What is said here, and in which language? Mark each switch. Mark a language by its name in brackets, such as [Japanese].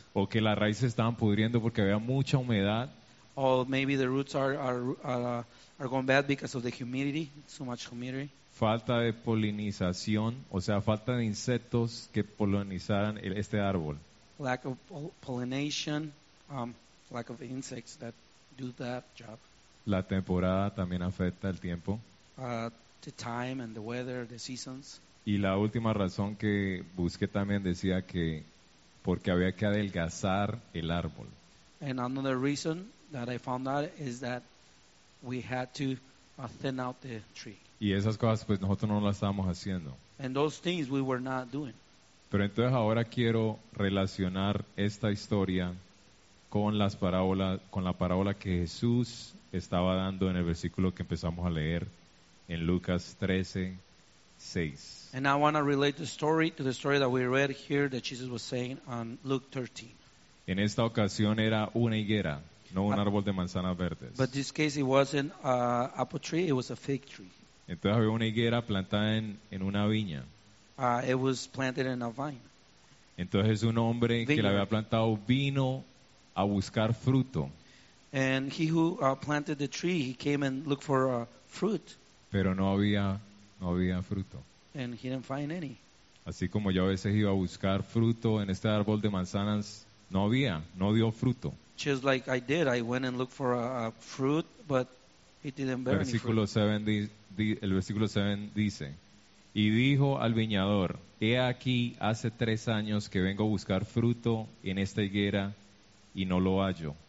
[Spanish] O que las raíces estaban pudriendo porque había mucha humedad. [English] Or maybe the roots are are going bad because of the humidity, so much humidity. [Spanish] Falta de polinización, o sea, falta de insectos que polinizaran este árbol. [English] Lack of pollination, lack of insects that do that job. [Spanish] La temporada también afecta el tiempo. [English] The time and the weather, the seasons. [Spanish] Y la última razón que busqué también decía que porque había que adelgazar el árbol. [English] And another reason that I found out is that we had to thin out the tree. [Spanish] Y esas cosas pues nosotros no las estábamos haciendo. [English] And those things we were not doing. [Spanish] Pero entonces ahora quiero relacionar esta historia con las parábolas, con la parábola que Jesús estaba dando en el versículo que empezamos a leer en Lucas 13:6. [English] And I want to relate the story to the story that we read here that Jesus was saying on Luke 13. [Spanish] En esta ocasión era una higuera, no un árbol de manzanas verdes. [English] But this case it wasn't an apple tree, it was a fig tree. [Spanish] Entonces había una higuera plantada en una viña. [English] It was planted in a vine. [Spanish] Entonces un hombre vineyard que la había plantado vino a buscar fruto. [English] And he who planted the tree, he came and looked for fruit. [Spanish] Pero no había fruto. [English] And he didn't find any. [Spanish] Así como yo a veces iba a buscar fruto en este árbol de manzanas, no había, no dio fruto. [English] Just like I did, I went and looked for a fruit, but it didn't bear any fruit. [Spanish] El versículo 7 dice, y dijo al viñador, he aquí hace 3 años que vengo a buscar fruto en esta higuera y no lo hallo.